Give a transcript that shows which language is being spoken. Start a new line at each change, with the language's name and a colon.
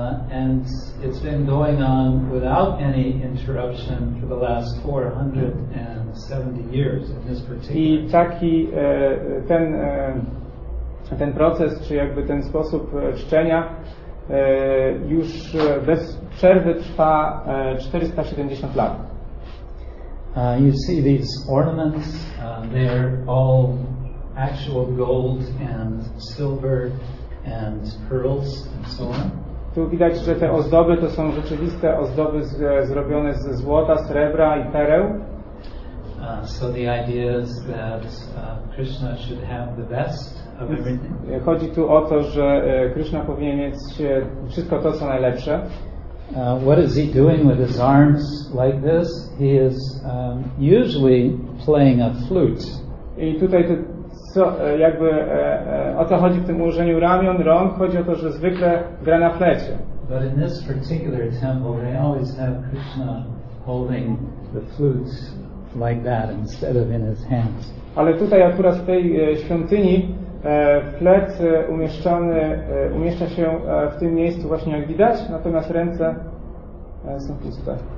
English: And it's been going on without any interruption for the last 470 years in this particular.
Polish: I taki ten ten proces, czy jakby ten sposób czczenia, już bez przerwy trwa 470 lat.
English: You see these ornaments, they're all actual gold and silver and pearls and so on.
Polish: Tu widać, że te ozdoby to są rzeczywiste ozdoby zrobione ze złota, srebra i pereł.
English: So the idea is that Krishna should have the best of everything.
Polish: Chodzi tu o to, że Krishna powinien mieć wszystko to, co najlepsze.
English: What is he doing with his arms like this? He is usually playing a flute.
Polish: I tutaj to, co, jakby, o co chodzi w tym ułożeniu ramion, rąk? Chodzi o to, że zwykle gra na flecie.
English: But in this particular temple, they always have Krishna holding the flute like that instead of in his hands.
Polish: Ale tutaj akurat w tej świątyni flet umieszczony umieszcza się w tym miejscu właśnie jak widać, natomiast ręce są puste.